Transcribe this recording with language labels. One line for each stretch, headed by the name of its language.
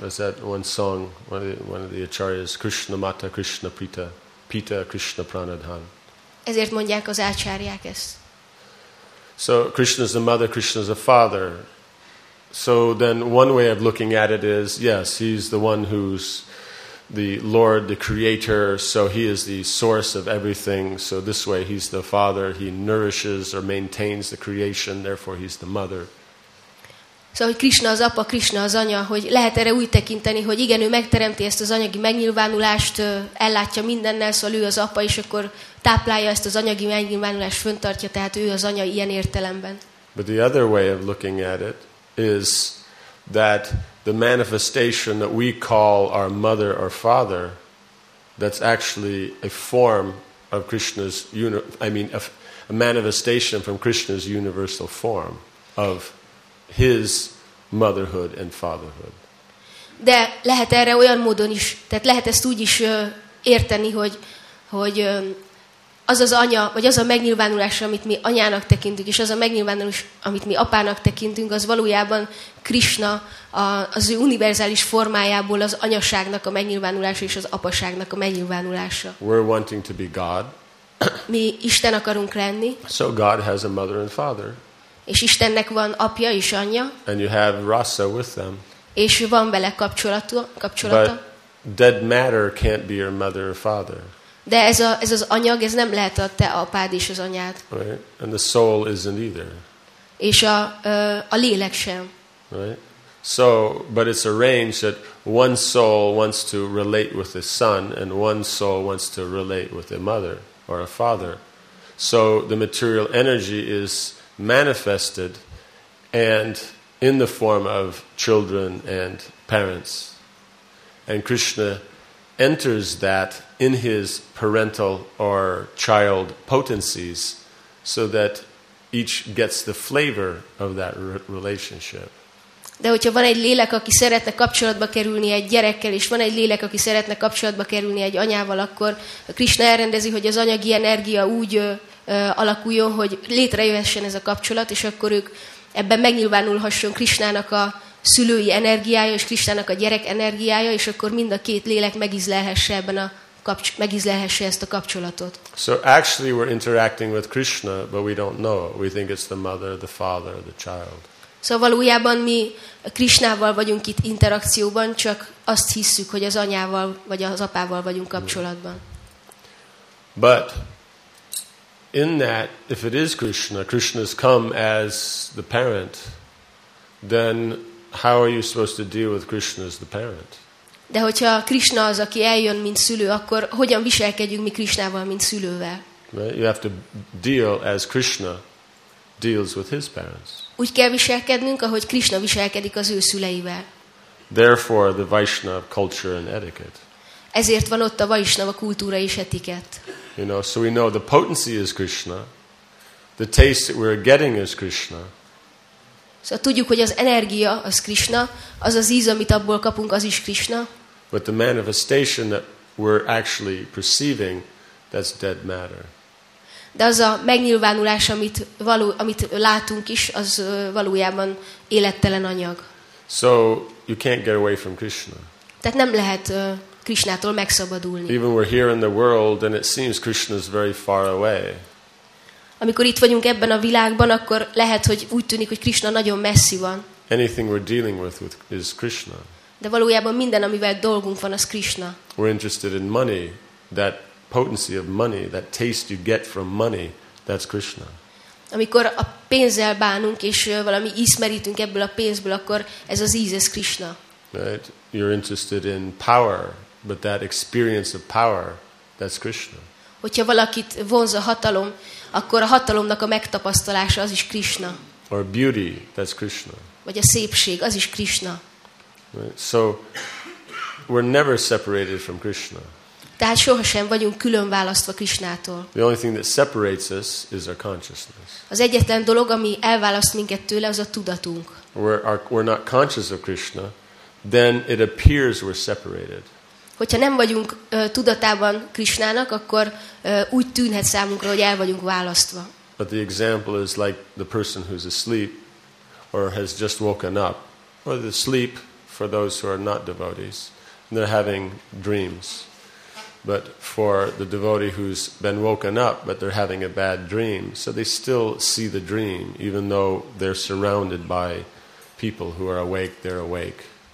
English: There's that one song, one of the acharyas,
Sanskrit: Krishna Mata, Krishna Pita, Pita, Krishna Pranadhan.
Hungarian: Ezért mondják az ácsárják ezt.
English: So Krishna is the mother, Krishna is the father. So then one way of looking at it is, yes, he's the one who's the Lord, the creator, so he is the source of everything. So this way he's the father, he nourishes or maintains the creation, therefore he's the mother.
Hungarian: Szóval, hogy Krishna az apa, Krishna az anya, hogy lehet erre úgy tekinteni, hogy igen, ő megteremti ezt az anyagi megnyilvánulást, ellátja mindennel, szóval ő az apa, és akkor táplálja ezt az anyagi megnyilvánulást, föntartja, tehát ő az anya ilyen értelemben.
English: But the other way of looking at it is that the manifestation that we call our mother or father, that's actually a form of Krishna's, a manifestation from Krishna's universal form of his motherhood and fatherhood.
Hungarian: De lehet erre olyan módon is, tehát lehet ezt úgy is érteni, hogy az az anya, vagy az a megnyilvánulás, amit mi anyának tekintünk, és az a megnyilvánulás, amit mi apának tekintünk, az valójában Krishna, az ő univerzális formájából az anyaságnak a megnyilvánulása és az apaságnak a megnyilvánulása.
English: We're wanting to be God.
Hungarian: Mi Isten akarunk lenni.
English: So God has a mother and father.
Hungarian: És Istennek van apja és anyja.
English: And you have rasa with them.
Hungarian: És van vele kapcsolata.
English: But dead matter can't be your mother or father.
Hungarian: De ez az anyag, ez nem lehet a te apád és az anyád.
English: Right? And the soul isn't either.
Hungarian: És a lélek sem.
English: Right? So, but it's arranged that one soul wants to relate with a son and one soul wants to relate with a mother or a father. So the material energy is manifested and in the form of children and parents. And Krishna enters that in his parental or child potencies so that each gets the flavor of that relationship.
Hungarian: De hogyha van egy lélek, aki szeretne kapcsolatba kerülni egy gyerekkel, és van egy lélek, aki szeretne kapcsolatba kerülni egy anyával, akkor Krishna elrendezi, hogy az anyagi energia úgy alakuljon, hogy létrejöhessen ez a kapcsolat, és akkor ők ebben megnyilvánulhasson Krishnának a szülői energiája és Krishnának a gyerek energiája, és akkor mind a két lélek megizlelhesse ezt a kapcsolatot.
English: So actually we're interacting with Krishna, but we don't know. We think it's the mother, the father, the child.
Hungarian: Szóval valójában mi Krishnával vagyunk itt interakcióban, csak azt hisszük, hogy az anyával vagy az apával vagyunk kapcsolatban.
English: But in that, if it is Krishna, Krishna's come as the parent, then how are you supposed to deal with Krishna as the parent?
Hungarian: De hogyha Krishna az, aki eljön, mint szülő, akkor hogyan viselkedjünk mi Krishnával, mint szülővel?
English: You have to deal as Krishna deals with his parents.
Hungarian: Úgy kell viselkednünk, ahogy Krishna viselkedik az ő szüleivel.
English: Therefore the Vaishnava culture and etiquette.
Hungarian: Ezért van ott a Vaishnava kultúra és etikett.
English: You know, so we know the potency is Krishna, the taste that we're getting is Krishna.
Hungarian: Szóval tudjuk, hogy az energia az Krishna, az az íz, amit abból kapunk, az is Krishna.
English: But the manifestation that we're actually perceiving, that's dead matter.
Hungarian: De az a megnyilvánulás, amit látunk is, az valójában élettelen anyag.
English: So you can't get away from Krishna.
Hungarian: Tehát nem lehet Krishnától megszabadulni.
English: Even we're here in the world, and it seems Krishna is very far away.
Hungarian: Amikor itt vagyunk ebben a világban, akkor lehet, hogy úgy tűnik, hogy Krishna nagyon messzi van.
English: Anything we're dealing with is Krishna.
Hungarian: De valójában minden, amivel dolgunk van, az Krishna.
English: We're interested in money, that potency of money, that taste you get from money, that's Krishna.
Hungarian: Amikor a pénzzel bánunk, és valami ízt merítünk ebből a pénzből, akkor ez az íz, ez Krishna.
English: Right? You're interested in power, but that experience of power, that's Krishna.
Hungarian: Hogyha valakit vonz a hatalom, akkor a hatalomnak a megtapasztalása, az is Krishna.
English: Or beauty, that's Krishna.
Hungarian: Vagy a szépség, az is Krishna.
English: Right? So, we're never separated from Krishna.
Hungarian: Tehát sohasem vagyunk külön választva Krishnától.
English: The only thing that separates us is our consciousness.
Hungarian: Az egyetlen dolog, ami elválaszt minket tőle, az a tudatunk.
English: We're not conscious of Krishna, then it appears we're separated.
Hungarian: hogyha nem vagyunk tudatában Krisnának, akkor úgy tűnhet számunkra, hogy el vagyunk választva.
English: But the example is like the person who's asleep or has just woken up, or the sleep for those who are not devotees, and they're having dreams. But for the devotee who's been woken up, but they're having a bad dream, so they still see the dream, even though they're surrounded by people who are awake, they're awake.